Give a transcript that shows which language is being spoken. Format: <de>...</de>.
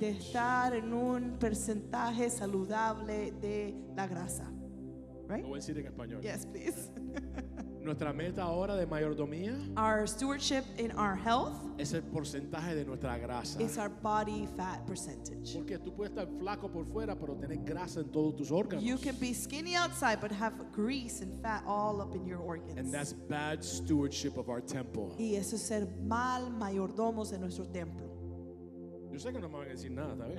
<es>De estar en un porcentaje saludable de la grasa.</es> <en>Right?</en> <es>Lo voy a decir en español.</es> <en>Yes, please.</en> <es>Nuestra meta ahora de mayordomía.</es> <en>Our stewardship in our health.</en> <es>Es el porcentaje de nuestra grasa.</es> <en>It's our body fat percentage.</en> <es>Porque tú puedes estar flaco por fuera, pero tener grasa en todos tus órganos.</es> <en>You can be skinny outside, but have grease and fat all up in your organs. And that's bad stewardship of our temple.</en> <es>Y eso es ser mal mayordomos de nuestro templo. Yo sé que no me van a decir nada, ¿sabes?</es>